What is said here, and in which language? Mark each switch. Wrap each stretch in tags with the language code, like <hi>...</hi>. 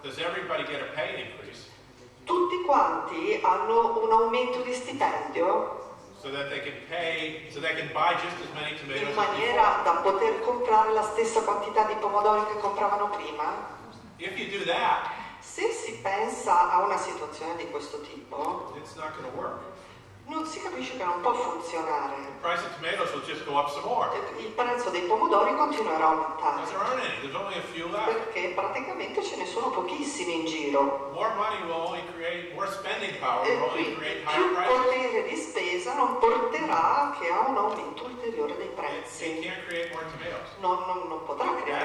<it>Tutti quanti hanno un aumento di stipendio? In maniera da poter comprare la stessa quantità di pomodori che compravano prima?</it> <en>If you do that,</en> <it>se si pensa a una situazione di questo tipo,</it> <en>it's not gonna work.</en> <it>Non si capisce che non può funzionare.</it> <en>The price of tomatoes will just go up some more.</en> <it>Il prezzo dei pomodori continuerà a aumentare.</it> <en>There aren't any. There's only a few left.</en> <it>Perché praticamente ce ne sono pochissimi in giro.</it> <en>More money will only create more spending power.</en> <it>E</it> <en>will only create</en> <it>più</it> <en>higher</en> <it>potere</it> <en>prices.</en> <it>Di spesa non porterà che a un aumento ulteriore dei prezzi.</it> <en>It can't create more tomatoes.</en> <it>Non potrà creare</it>